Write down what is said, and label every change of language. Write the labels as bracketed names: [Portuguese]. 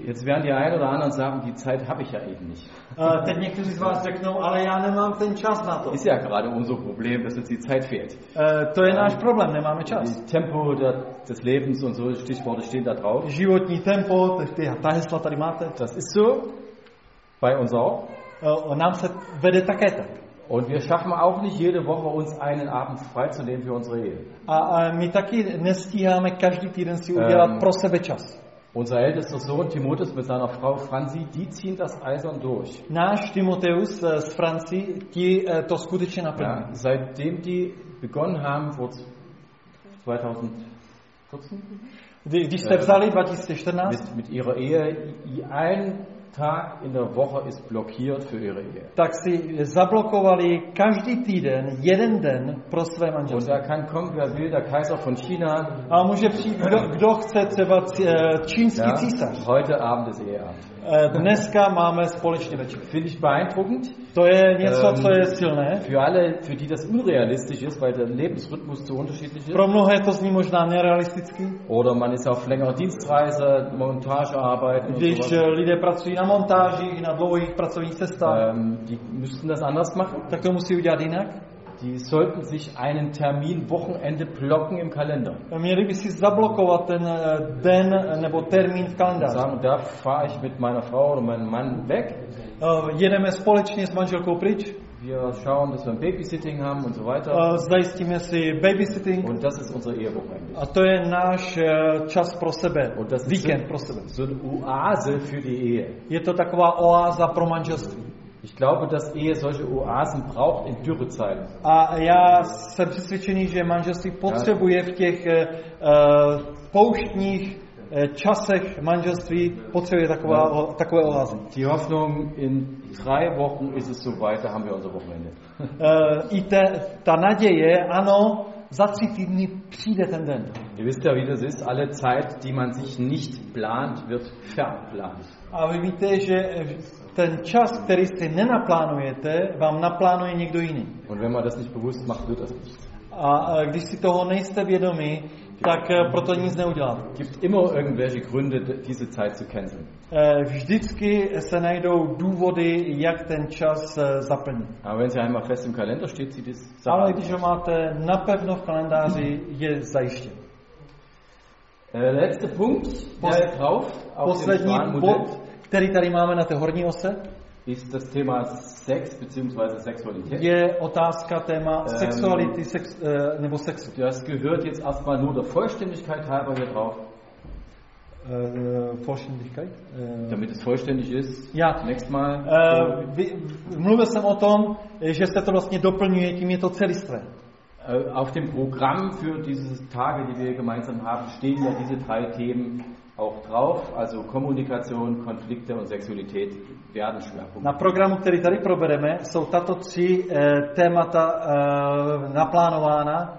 [German] Jetzt werden die einen oder anderen sagen, die Zeit habe ich ja eben nicht. [Czech] Teď někteří z vás řeknou, ale já nemám ten čas na to. [German] Ist ja gerade unser Problem, dass uns die Zeit fehlt. [Czech] To je náš problém, nemáme čas. [German] Die Tempo des Lebens und so, Stichworte stehen da drauf. [Czech] Životní tempo, ta hesla tady máte. [German] Das ist so. Bei uns auch. [Czech] Nám se vede také tak. [German] Und wir schaffen auch nicht jede Woche uns einen Abend frei zu nehmen für unsere Ehe. [Czech] A my taky nestíháme každý týden si udělat pro sebe čas. [German] Unser ältester Sohn Timotheus mit seiner Frau Franzi, die ziehen das eisern durch. [Czech] Náš Timotheus s Franzi, ti to skutečně naplní. [German] Ja, seitdem die begonnen haben vor 2014. [Czech] Když jste vzali 2014. [German] Mit ihrer Ehe ein Tag in der Woche ist blockiert für ihre Ehe. [Czech] Tak si zablokovali každý týden jeden den pro své manželství. [German] Und da kann kommen, wer will, der Kaiser von China. [Czech] A může přijít, kdo chce, třeba čínský ja, císař. [German] Heute Abend ist Eheabend. [Czech] Dneska máme společný večer. [German] Finde ich beeindruckend. [Czech] To je něco, co je silné. [German] Für alle, für die das unrealistisch ist, weil der Lebensrhythmus zu unterschiedlich ist. [Czech] Pro mnohé to zní možná nerealisticky. [German] Oder man ist auf längerer Dienstreise, Montagearbeit. [Czech] Když lidé pracují na montážích, na dlouhých pracovních cestách. [German] Die müssten das anders machen. [Czech] Tak to musí udělat jinak. [German] Die sollten sich einen Termin Wochenende blocken im Kalender. [Czech] Měli by si zablokovat ten den nebo termín v kalendáři. [German] Sagen, da fahre ich mit meiner Frau oder meinem Mann weg. [Czech] Jedeme společně s manželkou pryč. [German] Wir schauen, dass wir ein Babysitting haben und so weiter. [Czech] Zajistíme si babysitting. [German] Und das ist unser Ehewochenende. [Czech] A to je náš čas pro sebe. [German] Und das [English] Weekend [German] ist [Czech] pro sebe. [German] So eine Oase für die Ehe. [Czech] Je to taková oáza pro manželství. [German] Ich glaube, dass Ehe solche Oasen braucht in Dürrezeiten. [Czech] A já jsem přesvědčený, že manželství potřebuje v těch pouštních časech manželství potřebuje takové oázy. [German] Die Hoffnung in 3 Wochen ist es soweit, da haben wir unser Wochenende. [Czech] I ta naděje, ano, za 3 týdny přijde ten den. [German] Ihr wisst ja, wie das ist, alle Zeit, die man sich nicht plant, wird verplant. [Czech] A vy víte, že ten čas, který si nenaplánujete, vám naplánuje někdo jiný. [German] Und wenn man das nicht bewusst macht, wird das nicht. [Czech] A když si toho nejste vědomi, tak proto nic neudělat. [German] Gibt immer irgendwelche Gründe, diese Zeit zu canceln. [Czech] Vždycky se najdou důvody, jak ten čas zaplnit. [German] Aber wenn sie einmal fest im Kalender steht, sieht es so aus. [Czech] Ale když ho máte napevno v kalendáři, je zajištěn. [German] Letzter Punkt, [Czech] poslední bod, který tady máme na té horní ose. [German] Ist das Thema Sex beziehungsweise Sexualität. [Czech] Je otázka téma sexuality nebo sexu. [German] Das gehört jetzt erstmal nur der Vollständigkeit halber hier drauf. vollständigkeit. Damit es vollständig ist. Ja. Nächstes Mal. [Czech] Mluvil jsem o tom, že se to vlastně doplňuje, tím je to celistvé. [German] Auf dem Programm für diese Tage, die wir gemeinsam haben, stehen ja diese drei Themen auch drauf. Also Kommunikation, Konflikte und Sexualität werden Schwerpunkte. [Czech] Na programu, který tady probereme, jsou tato tři témata naplánována.